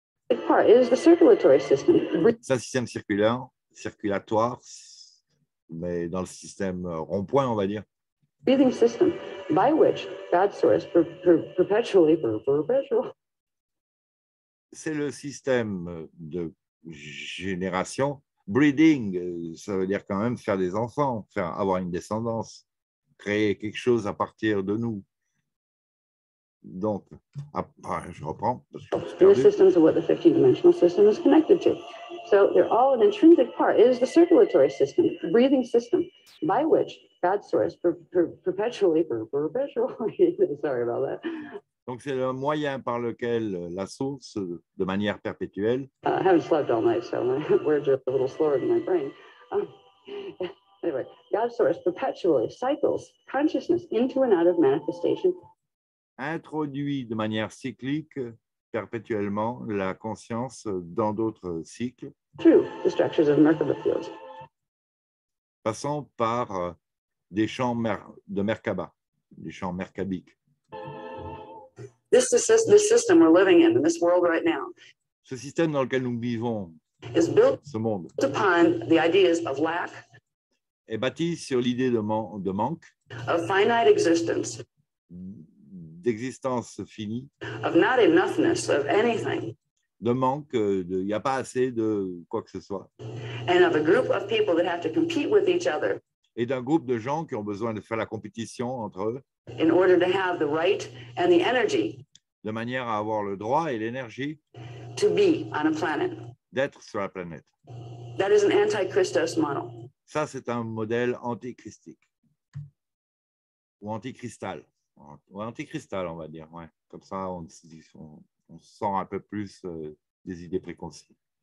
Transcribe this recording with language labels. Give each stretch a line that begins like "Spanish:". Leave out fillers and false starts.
French: C'est un système circulatoire, mais dans le système rond-point, on va dire.
English: Breathing system by which God source perpetually perpetual.
French: C'est le système de génération. Breeding, ça veut dire quand même faire des enfants, avoir une descendance, créer quelque chose à partir de nous. Donc, je reprends.
English: The systems of what the 15-dimensional system is connected to. So they're all an intrinsic part. It is the circulatory system, the breathing system, by which God source perpetually. Sorry about that.
French: Donc, c'est le moyen par lequel la source, de manière perpétuelle...
English: I haven't slept all night, so my words are a little slower than my brain. God's source perpetually cycles consciousness into and out of manifestation.
French: Introduit de manière cyclique, perpétuellement, la conscience dans d'autres cycles.
English: Through the structures of Merkaba fields.
French: Passant par des champs de Merkaba, des champs merkabiques.
English: This system we're living in this world right now.
French: Ce système dans lequel nous vivons.
English: Is built
French: ce monde.
English: Upon the ideas of lack.
French: Est bâti sur l'idée de manque.
English: Of finite existence.
French: D'existence finie.
English: Of not enoughness of anything.
French: De manque, il n'y a pas assez de quoi que ce soit.
English: And of a group of people that have to compete with each other.
French: Et d'un groupe de gens qui ont besoin de faire la compétition entre eux.
English: In order to have the right and the energy.
French: De manière à avoir le droit et l'énergie.
English: to be on a planet.
French: D'être sur la planète.
English: That is an anti-Christos model.
French: Ça, c'est un modèle antichristique. Ou anti-cristal. Ou anti-cristal, on va dire. Ouais. Comme ça, on sent un peu plus des idées préconçues.